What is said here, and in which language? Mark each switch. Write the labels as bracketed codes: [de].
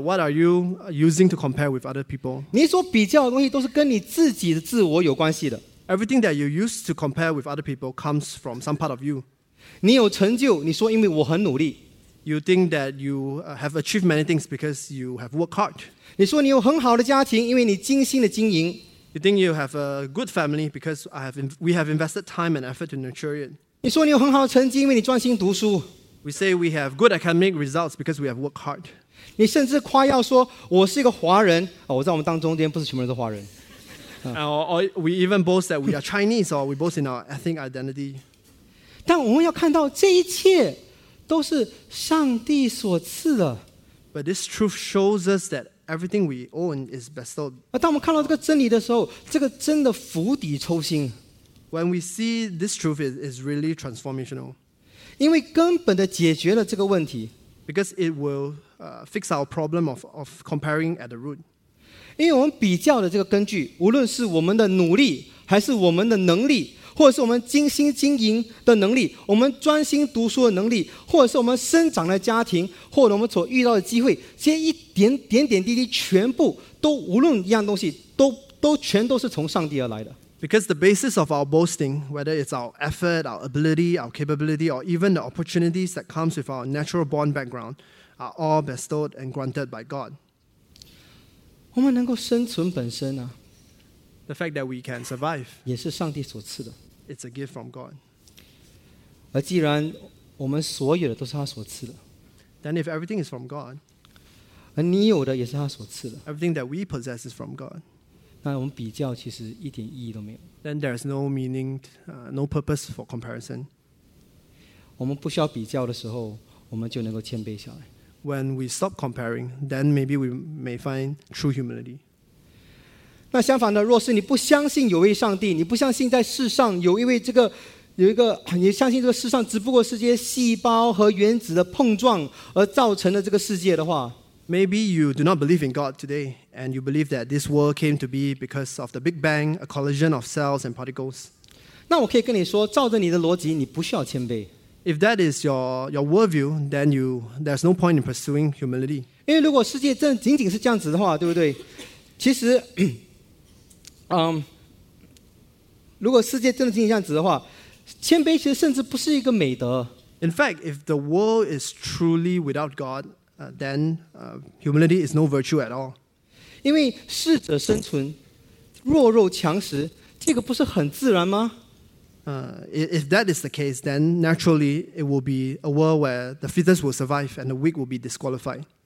[en] What are you using to compare with other people? [zh] 你所比较的东西都是跟你自己的自我有关系的。 [en] Everything that you use to compare with other people comes from some part of you. [zh] 你有成就，你说因为我很努力。 [en] you think that you have achieved many things because you have worked hard. [zh] 你说你有很好的家庭, 因为你精心的经营, [en] you think you have a good family because we have invested time and effort to nurture it. [zh] 你说你有很好的成绩, 因为你专心读书, [en] we say we have good academic results because we have worked hard. [zh] 你甚至夸耀说, 我是一个华人, 哦, 我在我们当中间不是全部人都华人, [en] or we even boast that we are Chinese or we boast in our ethnic identity. [zh] 但我们要看到这一切, 都是上帝所赐的, [en] but this truth shows us that everything we own is bestowed. [zh] 当我们看到这个真理的时候, 这个真的釜底抽薪, [en] when we see this truth, it is really transformational. [zh] 因为根本的解决了这个问题, [en] because it will fix our problem of comparing at the root. [zh] 因为我们比较的这个根据, 无论是我们的努力, 还是我们的能力, 或者是我们精心经营的能力, 我们专心读书的能力, 或者是我们生长的家庭, 或者我们所遇到的机会, 这些一点点滴滴, 全部, 都无论一样东西, 都全都是从上帝而来的。 [en] Because the basis of our boasting, whether it's our effort, our ability, our capability, or even the opportunities that comes with our natural born background, are all bestowed and granted by God. [zh] 我们能够生存本身啊, [en] the fact that we can survive, [zh] 也是上帝所赐的。 [en] It's a gift from God. [zh] 而既然我们所有的都是他所赐的, [en] then if everything is from God, [zh] 而你有的也是他所赐的, [en] everything that we possess is from God, [zh] 那我们比较其实一点意义都没有。 [en] Then there is no meaning, no purpose for comparison. [zh] 我们不需要比较的时候, 我们就能够谦卑下来。 [en] When we stop comparing, then maybe we may find true humility. [zh] 那相反的, 若是你不相信有位上帝, 你不相信在世上有一位这个, 有一个, 你相信这个世上只不过是这些细胞和原子的碰撞, 而造成了这个世界的话, [en] maybe you do not believe in God today, and you believe that this world came to be because of the Big Bang, a collision of cells and particles. [zh] 那我可以跟你说, 照着你的逻辑, 你不需要谦卑。 [en] If that is your worldview, then there's no point in pursuing humility. [zh] 因为如果世界真的仅仅是这样子的话, 对不对?其实, 如果世界真的仅仅这样子的话, 谦卑其实甚至不是一个美德。 [en] In fact, if the world is truly without God, then humility is no virtue at all. [zh] 因为适者生存, 弱肉强食, 这个不是很自然吗? [en] If that is the case, then naturally it will be a world where the fittest will survive and the weak will be disqualified.